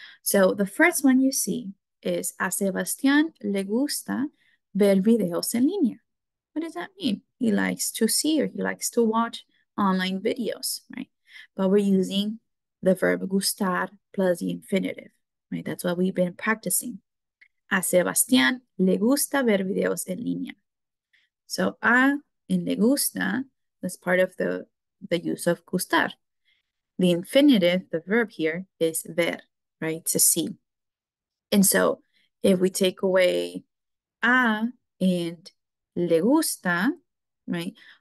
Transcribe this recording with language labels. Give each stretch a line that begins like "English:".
English: So the first one you see is
Spanish: a Sebastián le gusta ver videos en línea.
English: What does that mean? He likes to see or he likes to watch online videos, right? But we're using the verb gustar plus the infinitive, right? That's what we've been practicing.
Spanish: A Sebastián le gusta ver videos en línea.
English: So a in le gusta, that's part of the use of gustar. The infinitive, the verb here, is ver, right? To see. And so if we take away a and le gusta, right?